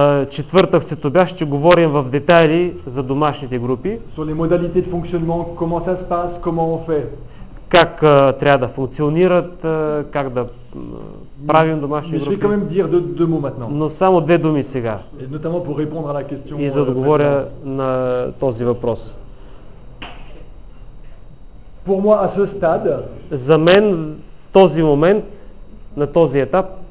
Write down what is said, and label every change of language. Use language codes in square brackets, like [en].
[bg] Четвъртък се тобя ще говорим в детайли за домашните групи. [fr] Sur les modalités de fonctionnement, comment ça se passe, comment on fait. [bg] Как трябва да функционират, как да правим домашни групи. [fr] Je vais quand même dire deux mots maintenant. [bg] Но само две думи сега. [fr] Et notamment pour répondre à la question. [bg] И за да отговоря на този въпрос. [fr] Pour moi à ce stade, [bg] за мен в този момент, на този етап,